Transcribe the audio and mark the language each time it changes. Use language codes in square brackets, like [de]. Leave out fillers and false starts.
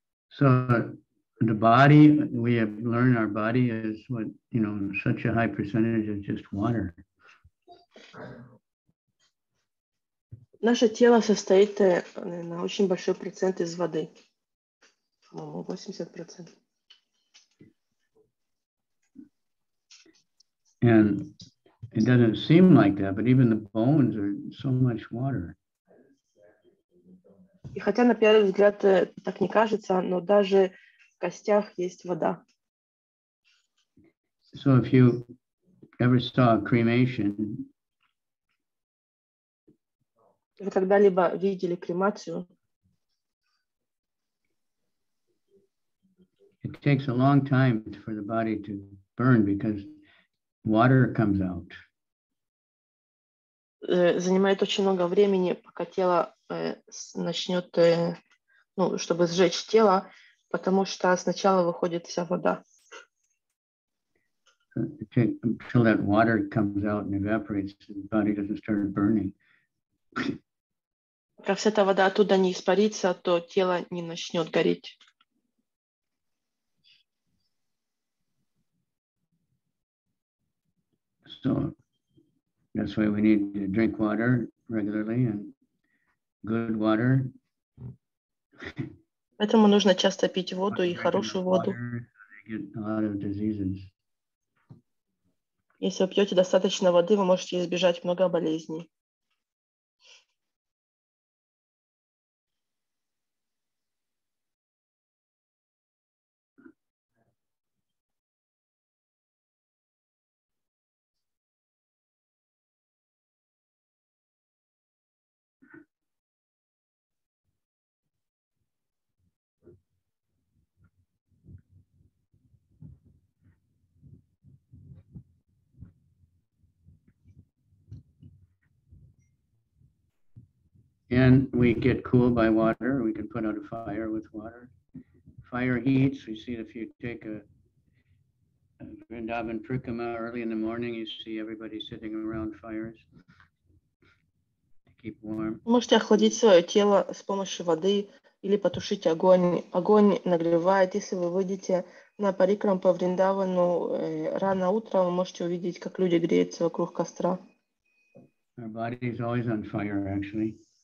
[en] So the body, we have learned our body is what, you know, such a high percentage of just water. [ru] Наше тело состоит, наверное, очень большой процент из воды. По-моему, 80%. [en] And it doesn't seem like that, but even the bones are so much water. [ru] И хотя на первый взгляд так не кажется, но даже в костях есть вода. [en] So if you ever saw a cremation, [ru] вы когда-либо видели кремацию? [en] It takes a long time for the body to burn because water comes out. [ru] Занимает очень много времени, пока тело начнет, ну, чтобы сжечь тело, потому что сначала выходит вся вода. [en] Until that water comes out and evaporates, the body doesn't start burning. [ru] Как вся эта вода оттуда не испарится, то тело не начнет гореть. [en] So that's why we need to drink water regularly and good water. [ru] Поэтому нужно часто пить воду и хорошую воду. [en] Get a lot of diseases. [ru] Если вы пьете достаточно воды, вы можете избежать много болезней. [en] And we get cooled by water. We can put out a fire with water. Fire heats. We see if you take a Vrindavan Prakrama early in the morning, you see everybody sitting around fires to keep warm. [ru] Можете охладить свое тело с помощью воды или потушить огонь. Огонь нагревает. Если вы выйдете на парикрам по Вриндавану рано утром, вы можете увидеть, как люди греются вокруг костра. [en] Our body is always on fire, actually.